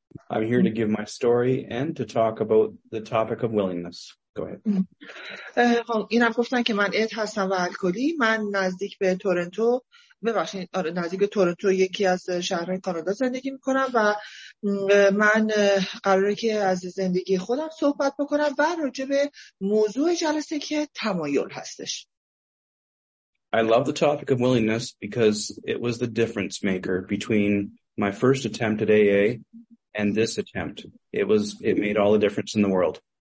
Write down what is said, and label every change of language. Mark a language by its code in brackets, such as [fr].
[en] I'm here to give my story and to talk about the topic of willingness. Go ahead. [fa] خب اینم گفتن که من اد هستم و الکلی. من نزدیک به تورنتو ببخشید آره نزدیک به تورنتو یکی از شهرهای کانادا زندگی میکنم و من قراره که از زندگی خودم صحبت بکنم و راجع به موضوع جلسه که تمایل هستش. [en] I love the topic of willingness because it was the difference maker between my first attempt at AA and this attempt. It made all the difference in the world.